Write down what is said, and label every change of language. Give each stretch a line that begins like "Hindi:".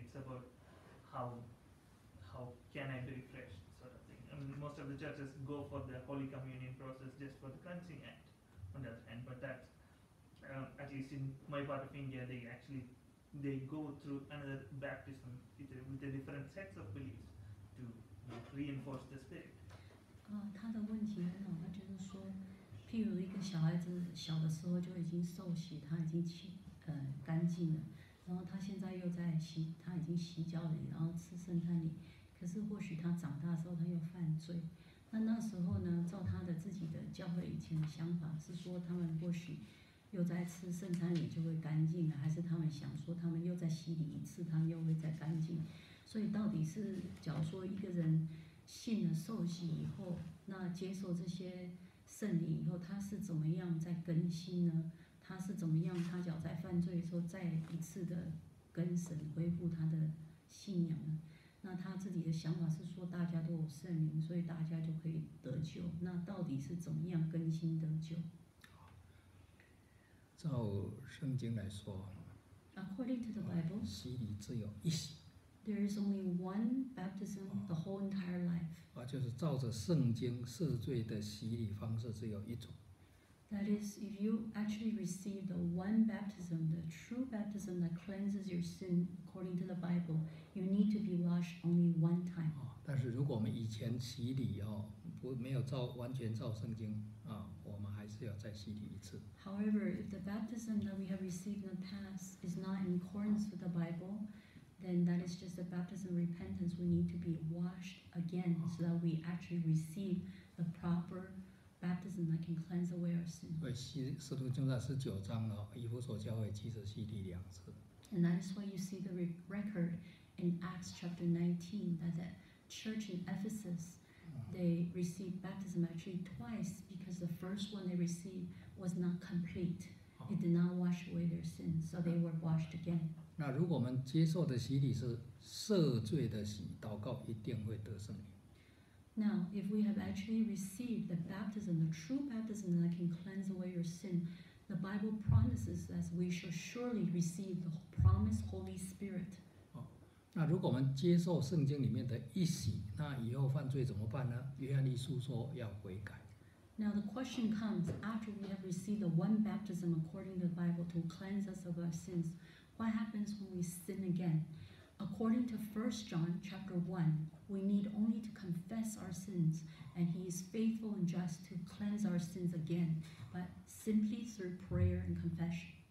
English: It's about how can I be refreshed, sort of thing. I mean, most of the churches go for the Holy Communion process just for the cleansing act, on the other hand. But that, at least in my part of India, they go through another baptism with a different set of beliefs to reinforce the Spirit.
Chinese: 他的问题很好，他就是说，譬如一个小孩子小的时候就已经受洗，他已经干净了，然后他现在又在洗，他已经洗脚礼，然后吃圣餐礼。可是或许他长大的时候他又犯罪，那时候呢，照他的自己的教会以前的想法是说，他们或许又在吃圣餐礼就会干净了，还是他们想说他们又在洗礼一次，他们又会再干净。所以到底是，假如说一个人信了受洗以后，那接受这些圣礼以后，他是怎么样在更新呢？他是怎么样？他只要在犯罪的时候再一次的跟神恢复他的信仰呢？那他自己的想法是说，大家都有圣灵，所以大家就可以得救。那到底是怎么样更新得救？照圣经来说
English: ，According to the Bible，
Chinese: 洗礼只有一洗。
English: There is only one baptism the whole entire life。
Chinese: 就是照着圣经赦罪的洗礼方式只有一种。
English: That is, if you actually receive the one baptism, the true baptism that cleanses your sin according to the Bible, you need to be washed only one time.
Chinese: 但是如果我们以前洗礼没有完全照圣经，我们还是要再洗礼一次。
English: However, if the baptism that we have received in the past is not in accordance with the Bible, then that is just a baptism of repentance. We need to be washed again so that we actually receive the proper baptism that can cleanse away our sin.
Chinese: 对，使徒行传十九章以弗所教会其实洗礼两次。
English: And that is why you see the record in Acts chapter 19 that the church in Ephesus they received baptism actually twice because the first one they received was not complete. It did not wash away their sins, so they were washed again.
Chinese: 那如果我们接受的洗礼是赦罪的洗，祷告一定会得圣灵。
English: Now, if we have actually received the baptism, the true baptism that can cleanse away your sin, the Bible promises that we shall surely receive the promised Holy Spirit.
Chinese: 那如果我们接受圣经里面的一洗，那以后犯罪怎么办呢？约翰一书说要悔改。
English: Now the question comes, after we have received the one baptism according to the Bible to cleanse us of our sins, what happens when we sin again? According to 1 John chapter 1, We need only to confess our sins, and He is faithful and just to cleanse our sins again, but simply through prayer and confession.